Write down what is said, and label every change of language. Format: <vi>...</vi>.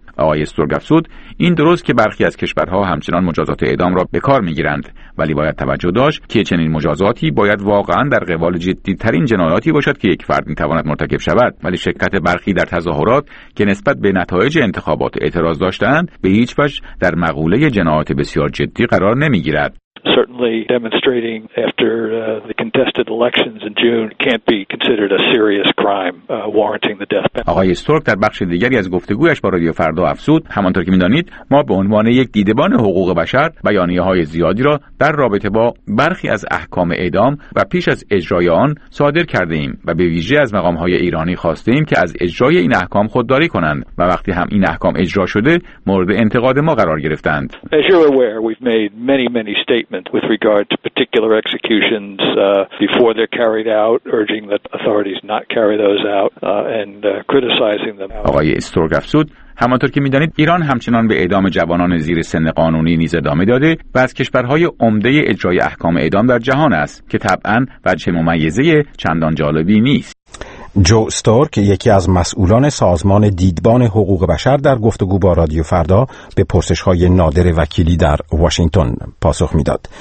<fa>آقای استورگ افزود: این درست که برخی از کشورها همچنان مجازات اعدام را به کار می‌گیرند، ولی باید توجه داشت که چنین مجازاتی باید واقعاً در قبال جدی‌ترین جنایاتی باشد که یک فرد می‌تواند مرتکب شود، ولی شرکت برخی در تظاهرات که نسبت به نتایج انتخابات اعتراض داشتند به هیچ وجه در مقوله جنایات بسیار جدی قرار نمی‌گیرد.</fa> <en>Certainly demonstrating after the contested elections in June can't be considered a serious crime warranting the death penalty.</en> <fa>آقای استورک در بخش دیگری از گفتگویش با رادیو فردا افزود: همانطور که می‌دانید ما به عنوان یک دیدبان حقوق بشر بیانیه‌های زیادی را در رابطه با برخی از احکام اعدام و پیش از اجرای آن صادر کرده‌ایم و به ویژه از مقام‌های ایرانی خواسته‌ایم که از اجرای این احکام خودداری کنند و وقتی هم این احکام اجرا شده مورد انتقاد ما قرار گرفتند.</fa> <en>As you're aware, we've made many statement with regard to particular executions before they're carried out, urging that authorities not carry those out and criticizing them.</en> <fa>آقای استورگ افزود: همانطور که می‌دانید ایران همچنان به اعدام جوانان زیر سن قانونی نیز ادامه داده و از کشورهای عمده اجرای احکام اعدام در جهان است که طبعاً وجه ممیزه چندان جالبی نیست. جو ستورک یکی از مسئولان سازمان دیدبان حقوق بشر در گفتگو با رادیو فردا به پرسش‌های نادر وکیلی در واشنگتن پاسخ می‌داد.</fa>